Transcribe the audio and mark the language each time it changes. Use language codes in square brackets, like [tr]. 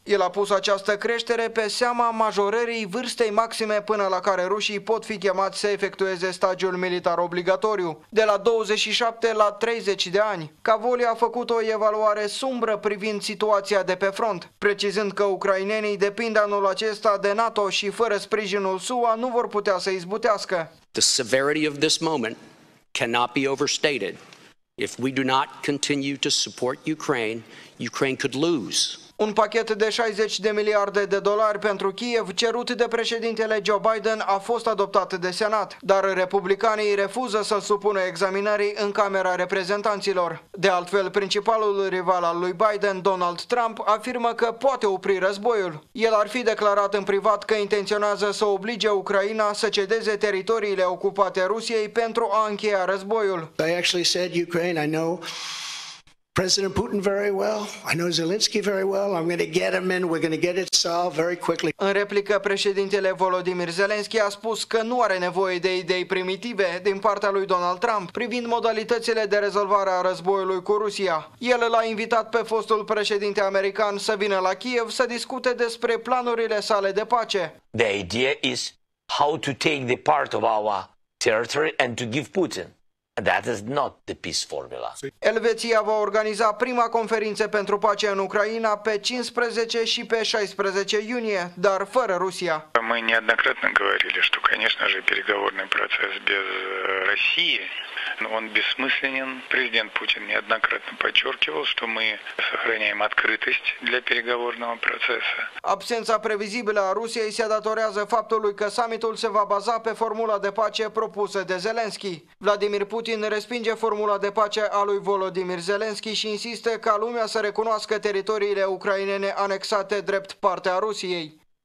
[ro] El a pus această creștere pe seama majorării vârstei maxime până la care rușii pot fi chemați să efectueze stagiul militar obligatoriu, de la 27 la 30 de ani. Cavoli a făcut o evaluare sumbră privind situația de pe front, precizând că ucrainenii depind anul acesta de NATO și fără sprijinul SUA nu vor putea să izbutească. [en] The severity of this moment cannot be overstated. If we do not continue to support Ukraine, Ukraine could lose. [ro] Un pachet de 60 de miliarde de dolari pentru Kiev, cerut de președintele Joe Biden, a fost adoptat de Senat, dar republicanii refuză să-l supună examinării în Camera Reprezentanților. De altfel, principalul rival al lui Biden, Donald Trump, afirmă că poate opri războiul. El ar fi declarat în privat că intenționează să oblige Ucraina să cedeze teritoriile ocupate Rusiei pentru a încheia războiul. [en] They actually said Ukraine, I know President Putin very well. I know Zelensky very well. I'm going to get him in. We're going to get it solved very quickly. [ro] În replică, președintele Volodymyr Zelensky a spus că nu are nevoie de idei primitive din partea lui Donald Trump privind modalitățile de rezolvare a războiului cu Rusia. El l-a invitat pe fostul președinte american să vină la Kiev să discute despre planurile sale de pace. [en] The idea is how to take the part of our territory and to give Putin. That is not the peace formula. [ro] Elveția va organiza prima conferință pentru pace în Ucraina pe 15 și pe 16 iunie, dar fără Rusia. [ru] Мы неоднократно говорили, что, конечно же, переговорный процесс без России, он бессмысленен. Президент Путин неоднократно подчеркивал, что мы сохраняем открытость для переговорного процесса. [ro] Absența previzibilă a Rusiei se datorează faptului că summitul se va baza pe formula de pace propusă de Zelensky. Vladimir Putin respinge formula de pace a lui Volodymyr Zelensky și insistă ca lumea să recunoască teritoriile ucrainene anexate drept parte a Rusiei.